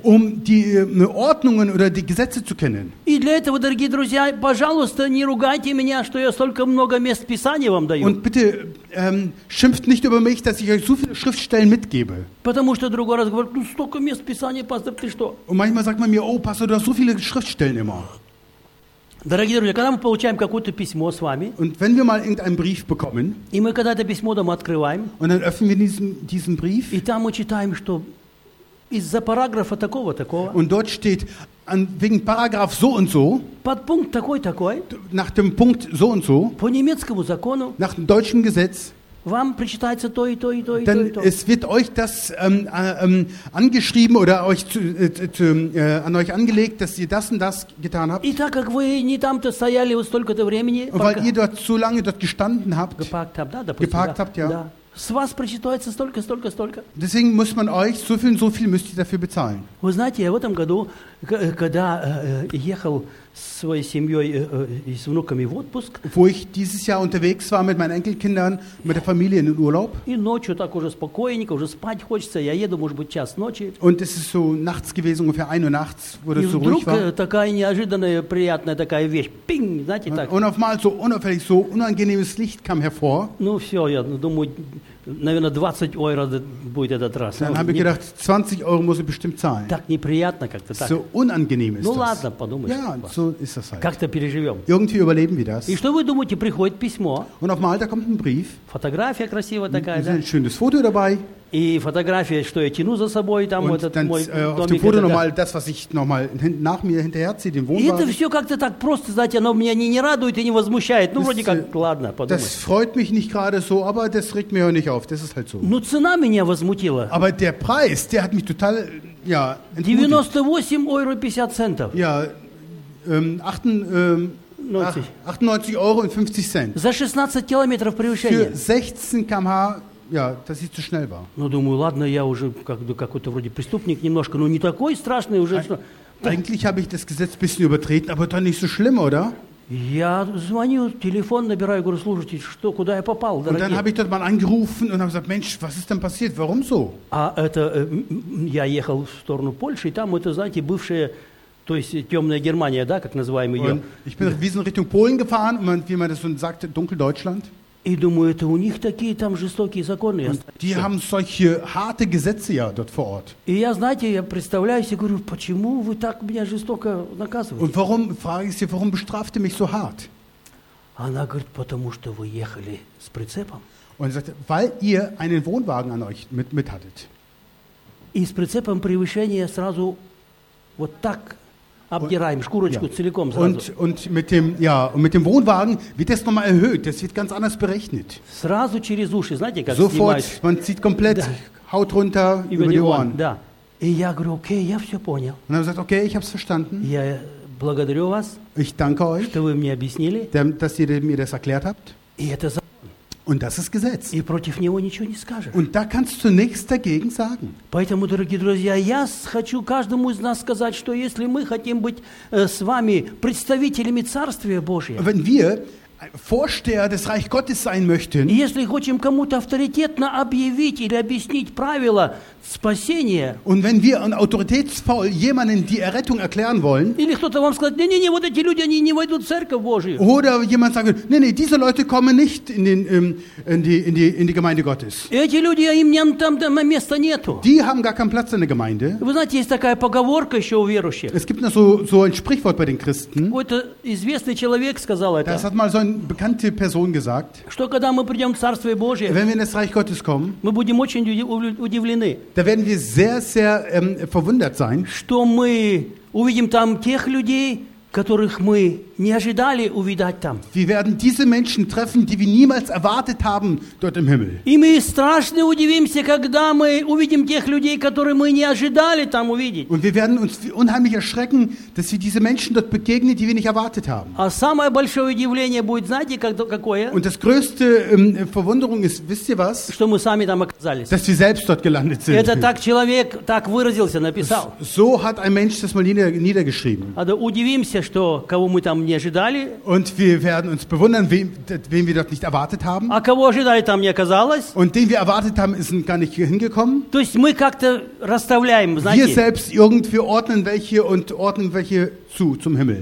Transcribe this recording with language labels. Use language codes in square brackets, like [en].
[de] Um die Ordnungen oder die Gesetze zu kennen. [ru] И для этого, дорогие друзья, пожалуйста, пожалуйста, не ругайте меня, что я столько много мест Писания вам даю. [de] Und bitte schimpft nicht über mich, dass ich euch so viele Schriftstellen mitgebe. [ru] Потому что другой раз говорят, ну столько мест Писания, пастор, ты что? [de] Und manchmal sagt man mir, oh, Pastor, du hast so viele Schriftstellen immer. [ru] Дорогие друзья, когда мы получаем какое-то письмо с вами, [de] und wenn wir mal irgendeinen Brief bekommen, [ru] и мы когда это письмо дома открываем, [de] und dann öffnen wir diesen Brief, [ru] и там мы читаем, что из-за параграфа такого-такого, [de] und dort steht, wegen Paragraph so und so, [ru] под пункт такой-такой, [de] nach dem Punkt so und so, [ru] по немецкому закону, [de] nach dem deutschen Gesetz, [ru] вам причитается то и то и то и то. [de] Dann es wird euch das angeschrieben oder euch an euch angelegt, dass ihr das und das getan habt. [ru] И так как вы не там-то стояли вот столько-то времени, [de] und weil ihr dort so lange dort gestanden habt, geparkt habt, [ru] да, допустим, [de] geparkt habt, ja. [ru] Да. С вас причитается столько-столько-столько. [de] Deswegen muss man euch so viel und so viel müsst ihr dafür bezahlen. [ru] Вы знаете, я в этом году, когда ехал со своей семьей и с внуками в отпуск, [de] wo ich dieses Jahr unterwegs war mit meinen Enkelkindern, mit der Familie in den Urlaub, [ru] и ночью так уже спокойненько, уже спать хочется, я еду, может быть, час ночи. [de] Und es ist so nachts gewesen, ungefähr 1 Uhr nachts, wo das so ruhig war. [ru] И вдруг такая неожиданная, приятная такая вещь, пинг, знаете, так. [de] Und auf einmal so unauffällig, so unangenehmes Licht kam hervor. [ru] Ну все, я думаю, наверное, 20 евро будет этот раз. [de] Dann habe ich gedacht, 20 Euro muss ich bestimmt zahlen. [ru] Так неприятно как-то так. [de] So unangenehm ist das. [ru] Ну ладно, подумаешь. [de] Ja, so ist das halt. [ru] Как-то переживем. [de] Irgendwie überleben wir das. [ru] И что вы думаете, приходит письмо. [de] Und auf einmal, da kommt ein Brief. [ru] Фотография красивая такая, да? [de] Ein schönes Foto dabei. [ru] И фотография, что я тяну за собой, там [de] und [ru] вот этот [de] dann, [ru] мой домик. [de] Auf dem Foto nochmal das, was ich nochmal nach mir hinterherziehe, den Wohnwagen. [ru] И это все как-то так просто, знаете, оно меня не радует и не возмущает. Ну, [de] das, [ru] вроде как, ладно, подумай. [de] Das freut mich nicht gerade so, aber das regt mich auch nicht auf. Das ist halt so. [ru] Но цена меня возмутила. [de] Aber der Preis, der hat mich total, ja, entmutigt. 98,50 €. Ja, 98,50 €. [ru] За 16 километров превышения. [de] Für 16 км/h. Ja, das ist zu schnell war. [ru] Ну, думаю, ладно, я уже какой-то вроде преступник немножко, но не такой страшный уже. [de] Eigentlich habe ich das Gesetz ein bisschen übertreten, aber doch nicht so schlimm, oder? [ru] Я звоню, телефон набираю, говорю: слушайте, что, куда я попал, дорогие? [de] Und dann habe ich dort mal angerufen und habe gesagt: Mensch, was ist denn passiert? Warum so? [ru] А это я ехал в сторону Польши, и там это, знаете, бывшая, то есть темная Германия, да, как называем ее. [de] Und ich bin in Richtung Polen gefahren, und man, wie man das so sagt, Dunkeldeutschland. [ru] И думаю, это у них такие там жестокие законы. [de] Und die haben solche harte Gesetze ja dort vor Ort. [ru] И я, знаете, я представляю себе, говорю: почему вы так меня жестоко наказываете? [de] Und warum, frage ich sie, warum bestraft ihr mich so hart? [ru] Она говорит: потому что вы ехали с прицепом. [de] Und sagte, weil ihr einen Wohnwagen an euch mit hattet. [ru] И с прицепом превышение сразу вот так обдираем шкурочку, [de] ja, [ru] целиком сразу. [de] Und mit dem, ja, und mit dem Wohnwagen wird das nochmal erhöht. Das wird ganz anders berechnet. [ru] Сразу через уши, знаете, как [de] sofort, [ru] снимаешь. [de] Man zieht komplett, [ru] да, [de] Haut runter über die Ohren. [ru] Да. И я говорю: окей, я все понял. [de] Und dann sagt: okay, ich hab's verstanden. [ru] Я благодарю вас. [de] Ich danke euch, [ru] что вы мне объяснили. [de] Dass ihr mir das erklärt habt. [ru] И это за... [de] Und das ist Gesetz. [ru] И против него ничего не скажешь. [de] Und da kannst du nichts dagegen sagen. [ru] Поэтому, дорогие друзья, я хочу каждому из нас сказать, что если мы хотим быть с вами представителями Царствия Божия, [de] wenn wir Vorsteher des Reich Gottes sein möchten, [ru] если хотим кому-то авторитетно объявить или объяснить правила спасения, [de] und wenn wir autoritätsvoll jemanden die Errettung erklären wollen, [ru] или кто-то вам скажет: не-не-не, вот эти люди, они не войдут в Церковь Божию, [de] oder jemand sagt: [ru] не-не, [de] diese Leute kommen nicht in die Gemeinde Gottes, [ru] эти люди, им там места нету, [de] die haben gar keinen Platz in der Gemeinde. [ru] Вы знаете, есть такая поговорка еще у верующих. [de] Es gibt noch so ein Sprichwort bei den Christen. [ru] Какой-то известный человек сказал это. [de] Das hat mal so eine bekannte Person gesagt, [ru] что, когда мы придем в Царствие Божие, [de] wenn wir in das Reich Gottes kommen, [ru] мы будем очень удивлены, [de] da werden wir sehr, sehr verwundert sein, [ru] что мы увидим там тех людей, которых мы не ожидали увидеть там. [de] Wir werden diese Menschen treffen, die wir niemals erwartet haben dort im Himmel. [ru] И мы страшно удивимся, когда мы увидим тех людей, которые мы не ожидали там увидеть. [de] Und wir werden uns unheimlich erschrecken, dass wir diese Menschen dort begegnen, die wir nicht erwartet haben. [ru] А самое большое удивление будет, знаете, какое? [de] Und das größte Verwunderung ist, wisst ihr was? [ru] Что мы сами там оказались. [de] Dass wir selbst dort gelandet sind. [ru] Это так человек так выразился, написал. [de] So hat ein Mensch das mal niedergeschrieben. Also [ru] удивимся, что кого мы там не ожидали. [de] Und wir werden uns bewundern, wen wir dort nicht erwartet haben. [ru] А кого ожидали, там не оказалось. [de] Und den wir erwartet haben, ist gar nicht hingekommen. [ru] То есть мы как-то расставляем, знаете. [de] Wir selbst irgendwie ordnen welche zum Himmel.